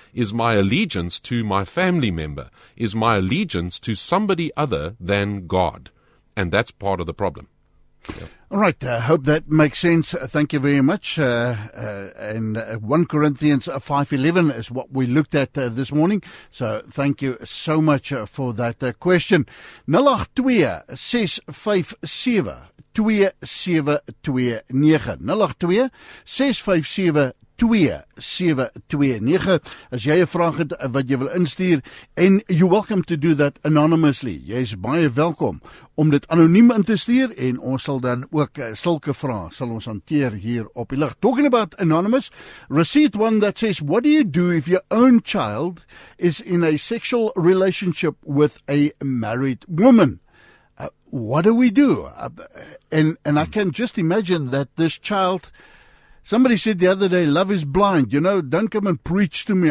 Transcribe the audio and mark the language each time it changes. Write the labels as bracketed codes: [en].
[en] Is my allegiance to my family member? Is my allegiance to somebody other than God? And that's part of the problem. Yeah. All right. I hope that makes sense. Thank you very much. And 1 Corinthians 5:11 is what we looked at this morning. So thank you so much for that question. [af] 082-657-2729 As jy 'n vraag het wat jy wil instuur, en [en] you're welcome to do that anonymously. [af] Jy is baie welkom om dit anoniem in te stuur, en ons sal dan ook sulke vrae sal ons hanteer hier op die lig. [en] Talking about anonymous, received one that says, what do you do if your own child is in a sexual relationship with a married woman? What do we do? And I can just imagine that this child... Somebody said the other day, love is blind. You know, don't come and preach to me.